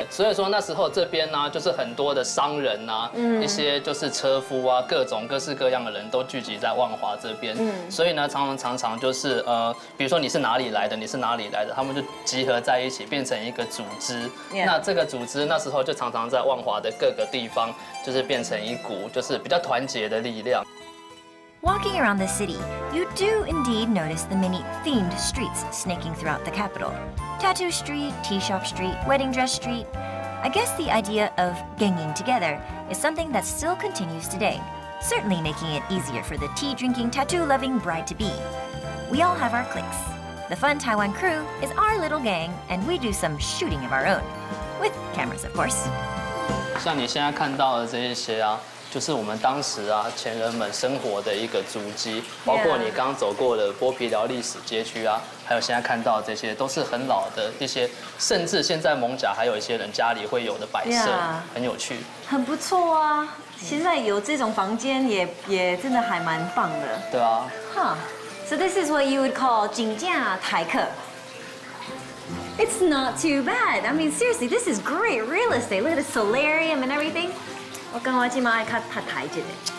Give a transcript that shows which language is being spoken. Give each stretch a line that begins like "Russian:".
Chinese: 所以说那时候这边呢，就是很多的商人啊，一些就是车夫啊，各种各式各样的人都聚集在万华这边。所以呢，常常就是比如说你是哪里来的，他们就集合在一起，变成一个组织。那这个组织那时候就常常在万华的各个地方，就是变成一股就是比较团结的力量。
English: Walking around the city, you do indeed notice the many themed streets snaking throughout the capital. Tattoo Street, Tea Shop Street, Wedding Dress Street. I guess the idea of ganging together is something that still continues today, certainly making it easier for the tea-drinking, tattoo-loving bride-to-be. We all have our cliques. The Fun Taiwan Crew is our little gang, and we do some shooting of our own. With cameras, of course.
Chinese: 像你现在看到的这一些啊，就是我们当时啊前人们生活的一个足迹，包括你刚走过的剥皮寮历史街区啊，还有现在看到的这些都是很老的一些，甚至现在艋甲还有一些人家里会有的摆设，很有趣，很不错啊。现在有这种房间也真的还蛮棒的。对啊。
English: So this is what you would call
Chinese: 景点啊台客。
English: It's not too bad. I mean, seriously, this is great real estate. Look at the solarium and everything.
Chinese: 我跟我舅妈看他台子的。